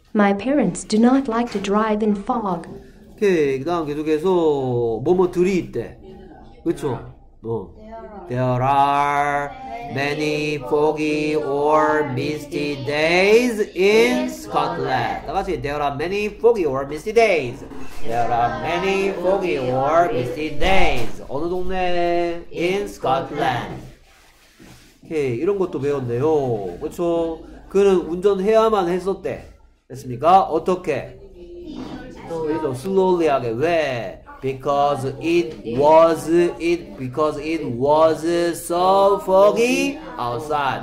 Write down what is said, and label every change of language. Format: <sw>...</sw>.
<en>My parents do not like to drive in fog.</en> <ko>오케이, 그 다음 계속해서 뭐뭐 들이 있대. 그쵸? 뭐.</ko> <en>There are many foggy or misty days in Scotland.</en> <ko>다같이</ko> <en>There are many foggy or misty days. There are many foggy or misty days.</en> <ko>어느 동네?</ko> <en>In Scotland.</en> <ko>오케이, 이런 것도 배웠네요. 그쵸? 그는 운전해야만 했었대. 됐습니까? 어떻게? 좀 슬로우리하게 왜?</ko> <en>Because it was it because it was so foggy outside.</en>